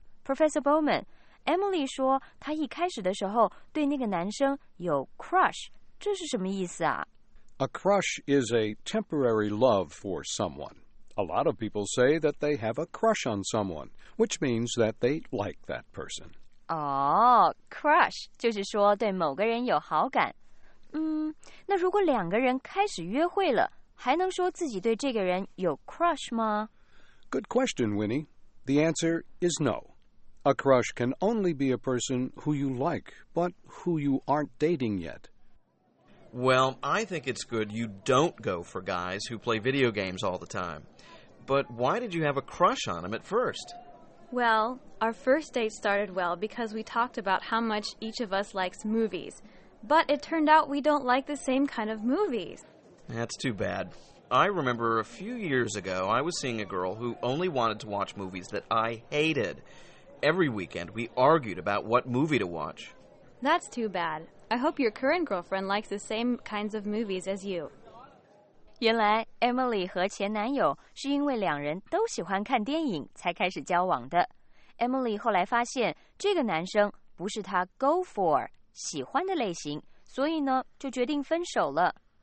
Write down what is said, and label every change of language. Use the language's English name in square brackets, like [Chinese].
[Chinese] Professor Bowman, Emily 说她一开始的时候对那个男生有 crush, 这是什么意思啊？ [English] A crush is a temporary love for someone. A lot of people say that they have a crush on someone, which means that they like that person. [Chinese] 哦， crush 就是说对某个人有好感。那如果两个人开始约会了，还能说自己对这个人有 crush 吗？ [English] Good question, Winnie. The answer is no. A crush can only be a person who you like, but who you aren't dating yet. Well, I think it's good you don't go for guys who play video games all the time. But why did you have a crush on him at first? Well, our first date started well because we talked about how much each of us likes movies. But it turned out we don't like the same kind of movies. That's too bad. I remember a few years ago, I was seeing a girl who only wanted to watch movies that I hated. Every weekend, we argued about what movie to watch. That's too bad. I hope your current girlfriend likes the same kinds of movies as you. [Chinese] 原来 Emily 和前男友是因为两人都喜欢看电影才开始交往的。 Emily 后来发现这个男生不是她 go for。喜欢的类型，所以呢，就决定分手了。